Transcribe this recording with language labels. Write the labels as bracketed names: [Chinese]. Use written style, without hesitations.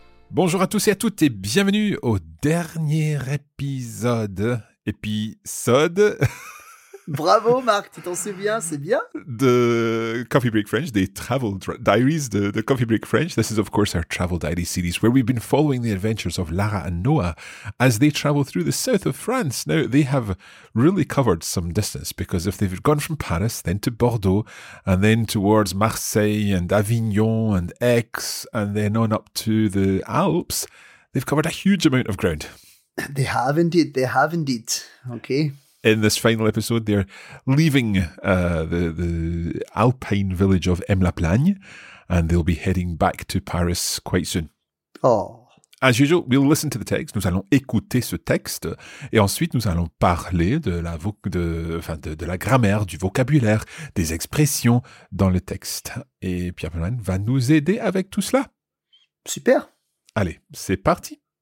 [French] Bonjour à tous et à toutes et bienvenue au dernier épisode. Épisode. Bravo Marc, tu t'en souviens, c'est bien. De Coffee Break French, des Travel Diaries de Coffee Break French. [English] This is of course our Travel Diaries series where we've been following the adventures of Lara and Noah as they travel through the south of France. Now, they have really covered some distance because if they've gone from Paris, then to Bordeaux, and then towards Marseille and Avignon and Aix, and then on up to the Alps, they've covered a huge amount of ground. They have indeed, they have indeed. Okay. In this final episode, they're leaving the Alpine village of Aime-la-Plagne, and they'll be heading back to Paris quite soon. Oh. As usual, we'll listen to the text. [French] Nous allons écouter ce texte. Et ensuite, nous allons parler de la grammaire, du vocabulaire, des expressions dans le texte. Et Pierre Pellman va nous aider avec tout cela. Super. Allez, c'est parti.